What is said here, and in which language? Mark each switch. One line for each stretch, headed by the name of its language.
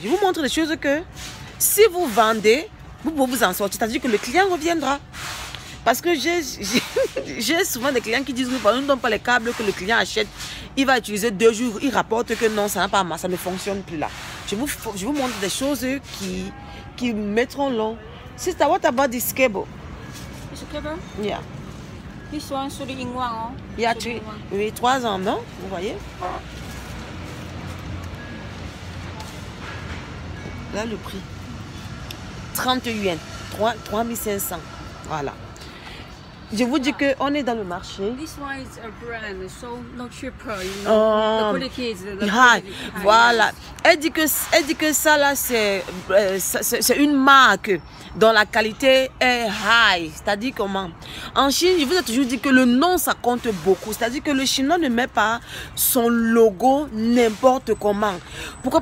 French: Je vous montre des choses que si vous vendez, vous pouvez vous en sortir. C'est-à-dire que le client reviendra. Parce que j'ai souvent des clients qui disent que nous ne donnons pas les câbles que le client achète. Il va utiliser 2 jours. Il rapporte que non, ça n'a pas marché. Ça ne fonctionne plus là. Je vous montre des choses qui mettront long.
English: Sister, what about this cable? This cable? Yeah. This one should be in one. Yeah, three.
French: Oui, 3 ans, non? Vous voyez? Là, le prix. 30 yuan. 3500. Voilà. Je vous dis qu'on est dans le marché.
English: This one is a brand, so not cheaper. You know? The quality is the high.
French: Voilà. Elle dit que ça, là, c'est une marque dont la qualité est high. C'est-à-dire comment? En Chine, je vous ai toujours dit que le nom, ça compte beaucoup. C'est-à-dire que le Chinois ne met pas son logo n'importe comment. Pourquoi?